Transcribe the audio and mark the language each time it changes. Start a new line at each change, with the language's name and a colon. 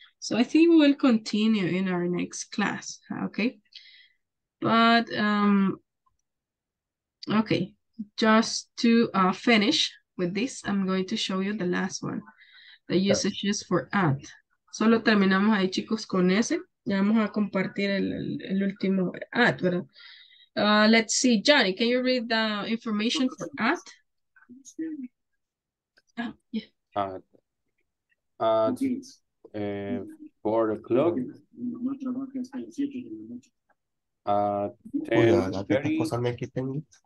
English: So I think we will continue in our next class, okay? But, okay, just to finish with this, I'm going to show you the last one, the usages for at.
Spanish: Solo terminamos ahí, chicos, con ese. Ya vamos a compartir el último at, ¿verdad?
English: Let's see, Johnny, can you read the information for at? At 4 o'clock. At 10:30.